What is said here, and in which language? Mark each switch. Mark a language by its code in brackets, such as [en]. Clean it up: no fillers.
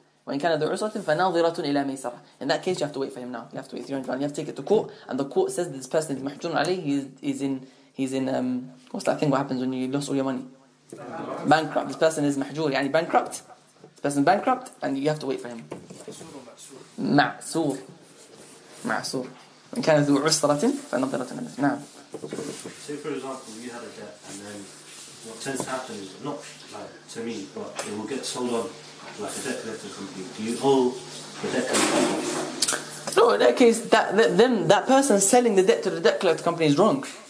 [ar] When كان ذو عسرة فناظرة إلى ميسرة. [en] In that case, you have to wait for him now. You have to wait 300. You have to take it to court, and the court says this person is [ar] محجور عليه. [en] He's in. What's that thing? What happens when you lose all your money? Bankrupt. This person is محجور. يعني bankrupt. This person is bankrupt, and you have to wait for him. [ar] معصور. معصور. When كان ذو عسرة فناظرة إلى ميسرة. نعم. [en] Say for example, you had a debt, and then what tends to happen is, not like to me, but it will get sold on like a debt collector company. Do you owe the debt collector? No, in that case, that person selling the debt to the debt collector company is wrong.